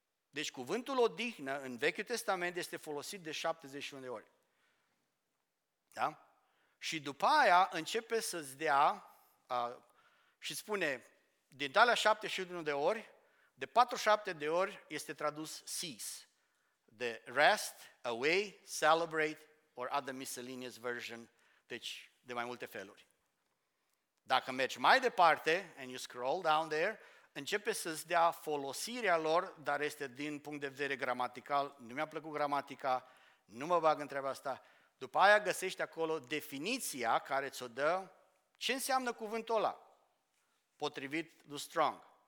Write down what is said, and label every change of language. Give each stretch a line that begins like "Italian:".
Romanian: Deci cuvântul odihnă în Vechiul Testament este folosit de 71 de ori. Da? Și după aia începe să-ți dea și spune, din alea 71 de ori, de 47 de ori este tradus cease.
English: The rest, away, celebrate, or other miscellaneous version.
Romanian: Deci de mai multe feluri. Dacă mergi mai departe,
English: and you scroll down there,
Romanian: începe să-ți dea folosirea lor, dar este din punct de vedere gramatical, nu mi-a plăcut gramatica, nu mă bag în treaba asta. După aia găsești acolo definiția care ți-o dă ce înseamnă cuvântul ăla, potrivit lui Strong.